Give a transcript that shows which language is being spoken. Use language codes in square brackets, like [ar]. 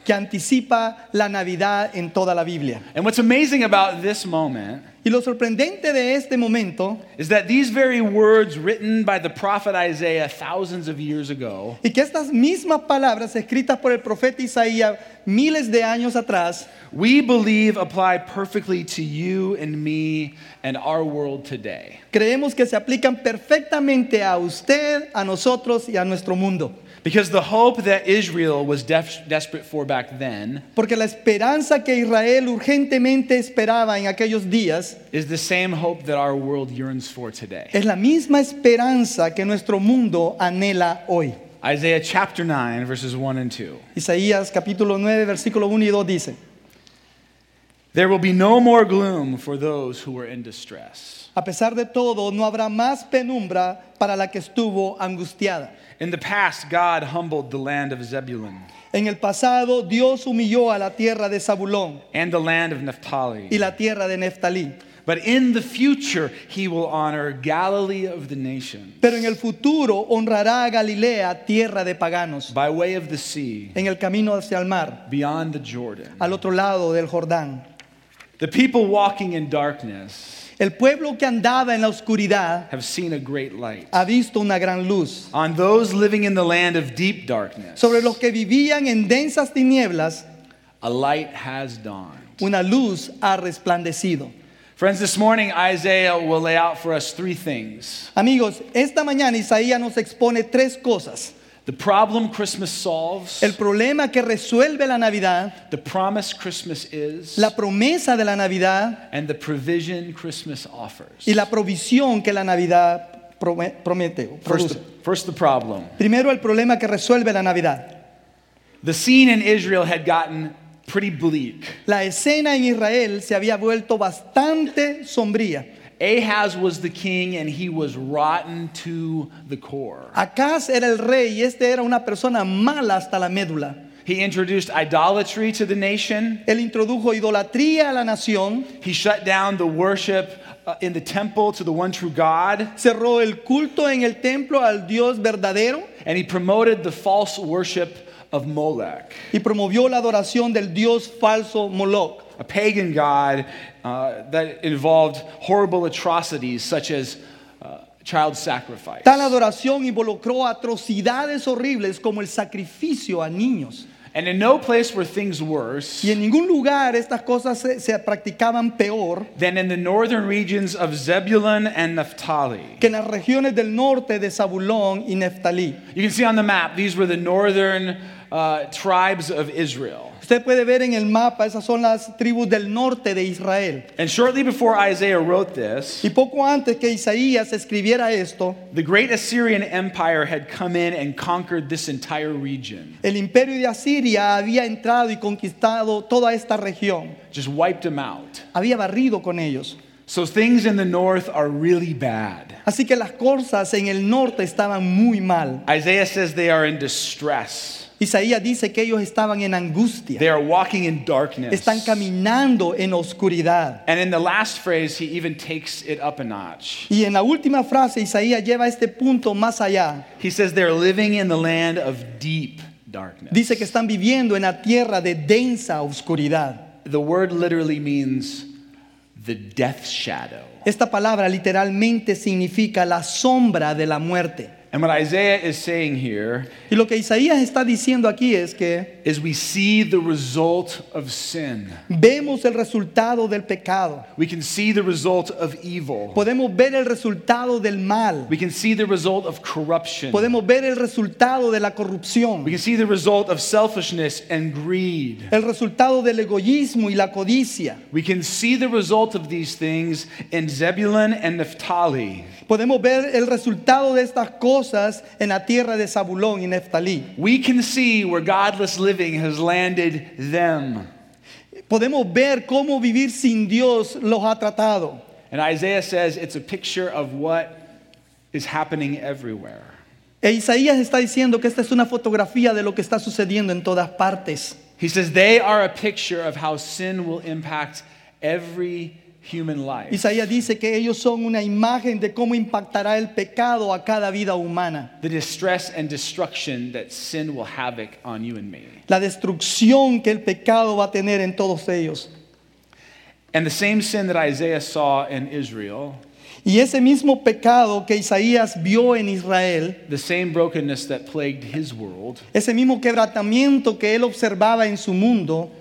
[es] Que anticipa la Navidad en toda la Biblia. [en] And what's amazing about this moment. [es] Y lo sorprendente de este momento [en] is that these very words written by the prophet Isaiah thousands of years ago, [es] y que estas mismas palabras escritas por el profeta Isaías miles de años atrás, [en] we believe apply perfectly to you and me and our world today. [es] Creemos que se aplican perfectamente a usted, a nosotros y a nuestro mundo. [en] Because the hope that Israel was desperate for back then, [es] porque la esperanza que Israel urgentemente esperaba en aquellos días, [en] is the same hope that our world yearns for today. [es] Es la misma esperanza que nuestro mundo anhela hoy. [en] Isaiah chapter 9 verses 1 and 2. [es] Isaías capítulo 9 versículo 1 y 2 dice, [en] there will be no more gloom for those who were in distress. [es] A pesar de todo, no habrá más penumbra para la que estuvo angustiada. [en] In the past, God humbled the land of Zebulun. [es] En el pasado, Dios humilló a la tierra de Zabulón. [en] And the land of Naphtali. [es] Y la tierra de Neftalí. [en] But in the future, he will honor Galilee of the nations. [es] Pero en el futuro, honrará a Galilea, tierra de paganos. [en] By way of the sea. [es] En el camino hacia el mar. [en] Beyond the Jordan. [es] Al otro lado del Jordán. [en] The people walking in darkness. [es] El pueblo que andaba en la oscuridad [en] have seen a great light. [es] Ha visto una gran luz. [en] On those living in the land of deep darkness. [es] Sobre los que vivían en densas tinieblas. [en] A light has dawned. [es] Una luz ha resplandecido. [en] Friends, this morning Isaiah will lay out for us three things. [es] Amigos, esta mañana Isaías nos expone tres cosas. [en] The problem Christmas solves. [es] El problema que resuelve la Navidad. [en] The promise Christmas is. [es] La promesa de la Navidad. [en] And the provision Christmas offers. [es] Y la provisión que la Navidad promete. [en] First the problem. [es] Primero el problema que resuelve la Navidad. [en] The scene in Israel had gotten pretty bleak. [es] La escena en Israel se había vuelto bastante sombría. [en] Ahaz was the king and he was rotten to the core. [es] Acaz era el rey y este era una persona mala hasta la médula. [en] He introduced idolatry to the nation. [es] Él introdujo idolatría a la nación. [en] He shut down the worship in the temple to the one true God. [es] Cerró el culto en el templo al Dios verdadero. [en] And he promoted the false worship of Molech. [es] Y promovió la adoración del Dios falso Moloch. [en] A pagan god that involved horrible atrocities such as child sacrifice. [es] Tal adoración involucró atrocidades horribles como el sacrificio a niños. [en] And in no place were things worse. [es] Y en ningún lugar estas cosas se practicaban peor. [en] Than in the northern regions of Zebulun and Naphtali. [es] Que en las regiones del norte de Zabulón y Neftalí. [en] You can see on the map these were the northern tribes of Israel. [es] Usted puede ver en el mapa, esas son las tribus del norte de Israel. [en] And shortly before Isaiah wrote this, [es] y poco antes que Isaías escribiera esto, [en] the great Assyrian Empire had come in and conquered this entire region. [es] El imperio de Asiria había entrado y conquistado toda esta región. [en] Just wiped them out. [es] Había barrido con ellos. [en] So things in the north are really bad. [es] Así que las cosas en el norte estaban muy mal. [en] Isaiah says they are in distress. [es] Isaías dice que ellos estaban en angustia. [en] They are walking in darkness. [es] Están caminando en oscuridad. [en] And in the last phrase, he even takes it up a notch. [es] Y en la última frase, Isaías lleva este punto más allá. [en] He says they're living in the land of deep darkness. [es] Dice que están viviendo en la tierra de densa oscuridad. [en] The word literally means the death shadow. [es] Esta palabra literalmente significa la sombra de la muerte. [en] And what Isaiah is saying here, [es] y lo que Isaías está diciendo aquí es que, [en] is we see the result of sin. [es] Vemos el resultado del pecado. [en] We can see the result of evil. [es] Podemos ver el resultado del mal. [en] We can see the result of corruption. [es] Podemos ver el resultado de la corrupción. [en] We can see the result of selfishness and greed. [es] El resultado del egoísmo y la codicia. [en] We can see the result of these things in Zebulun and Naphtali. [es] Podemos ver el resultado de estas cosas cosas en la tierra de Zabulón y Neftalí. [en] We can see where godless living has landed them. [es] Podemos ver cómo vivir sin Dios los ha tratado. [en] And Isaiah says it's a picture of what is happening everywhere. [es] E Isaías está diciendo que esta es una fotografía de lo que está sucediendo en todas partes. [en] He says they are a picture of how sin will impact every human life. [es] Isaías dice que ellos son una imagen de cómo impactará el pecado a cada vida humana. [en] The distress and destruction that sin will havoc on you and me. [es] La destrucción que el pecado va a tener en todos ellos. [en] And the same sin that Isaiah saw in Israel. [es] Y ese mismo pecado que Isaías vio en Israel, [en] the same brokenness that plagued his world, [es] ese mismo quebrantamiento que él observaba en su mundo,